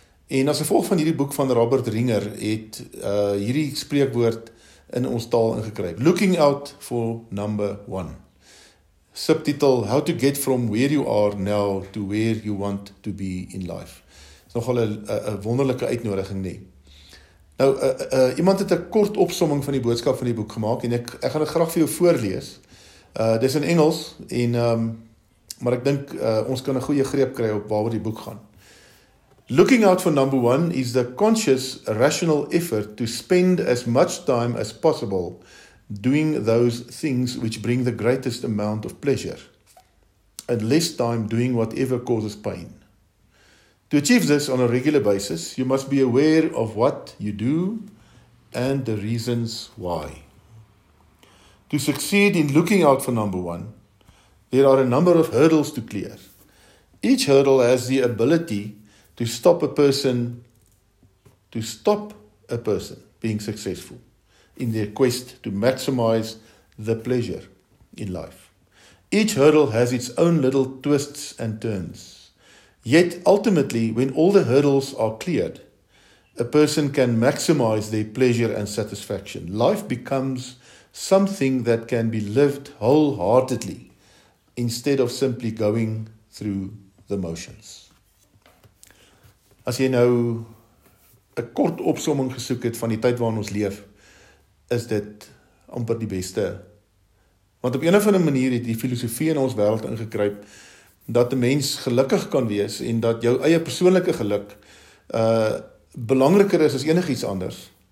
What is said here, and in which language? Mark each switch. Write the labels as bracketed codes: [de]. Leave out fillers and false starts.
[af] En as gevolg van hierdie boek van Robert Ringer het hierdie spreekwoord in ons taal ingekryp. [en] Looking out for number one. Subtitel, how to get from where you are now to where you want to be in life. [af] Is nogal een wonderlike uitnodiging nie. Nou, iemand het 'n kort opsomming van die boodskap van die boek gemaak en ek gaan dit graag vir jou voorlees. Dit is in Engels, en, maar ek dink ons kan 'n goeie greep kry op waar die boek gaan. [en] Looking out for number one is the conscious, rational effort to spend as much time as possible doing those things which bring the greatest amount of pleasure, and less time doing whatever causes pain. To achieve this on a regular basis, you must be aware of what you do and the reasons why. To succeed in looking out for number one, there are a number of hurdles to clear. Each hurdle has the ability to stop a person being successful in their quest to maximize the pleasure in life. Each hurdle has its own little twists and turns. Yet ultimately, when all the hurdles are cleared, a person can maximize their pleasure and satisfaction. Life becomes something that can be lived wholeheartedly instead of simply going through the motions. [af] As jy nou 'n kort opsomming gesoek het van die tyd waarin ons leef, is dit amper die beste. Want op een of ander manier het die filosofie in ons wêreld ingekruip dat 'n mens gelukkig kan wees en dat jou eie persoonlike geluk belangriker is as enigiets anders.